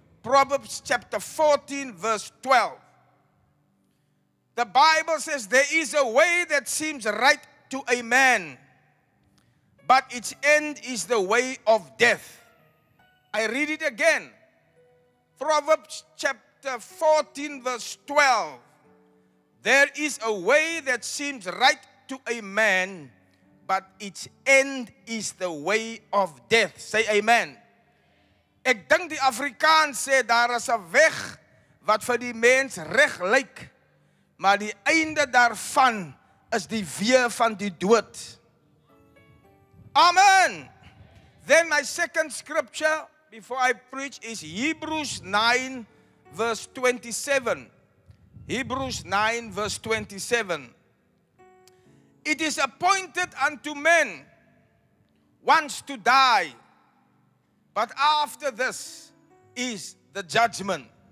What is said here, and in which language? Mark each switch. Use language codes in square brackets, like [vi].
[en] Proverbs chapter 14 verse 12. The Bible says there is a way that seems right to a man, but its end is the way of death. I read it again. Proverbs chapter 14 verse 12. There is a way that seems right to a man, but its end is the way of death. Say amen. [af] Ek dink die Afrikaans sê daar is 'n weg wat vir die mens reg lyk, maar die einde daarvan is die weë van die dood. [en] Amen. Then my second scripture before I preach is Hebrews 9 verse 27. Hebrews 9 verse 27. It is appointed unto men once to die, but after this is the judgment.